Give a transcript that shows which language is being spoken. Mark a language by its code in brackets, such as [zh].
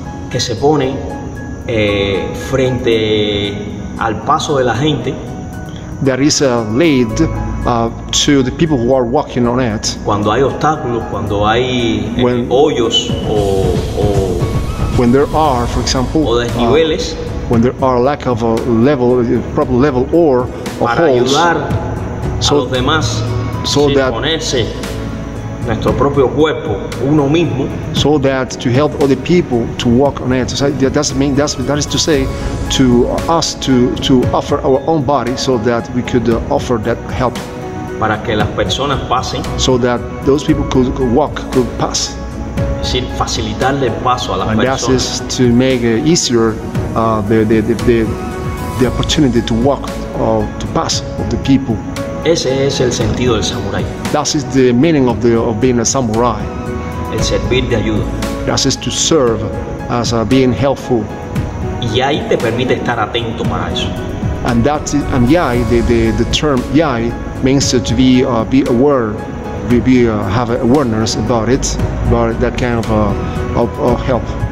[es] Que se pone frente al paso de la gente. [en] There is a lead to the people who are walking on it. [es] Cuando hay obstáculos, cuando hay hoyos o [en] when there are, for example, [es] o desniveles, [en] when there are lack of a level, a proper level or a [es] para [en] holes, [es] ayudar [en] so, [es] a los demás, [en] so that [es] ponerse nuestro propio cuerpo, uno mismo, [en] so that to help other people to walk on it. So that doesn't mean that is to say to us to offer our own body so that we could offer that help. [es] Para que las personas pasen. [en] So that those people could walk, could pass. [es] Es decir, facilitarle el paso a las [en] and [es] personas. [en] And that is to make easier the opportunity to walk or to pass of the people. [es] Ese es el sentido del samurái. [en] That is the meaning of being a samurai. [es] El servir de ayuda. [en] That is to serve as being helpful. [es] Y ahí te permite estar atento para eso. [en] And that is, and yai, the term yai means to be aware, have awareness about it, about that kind of help.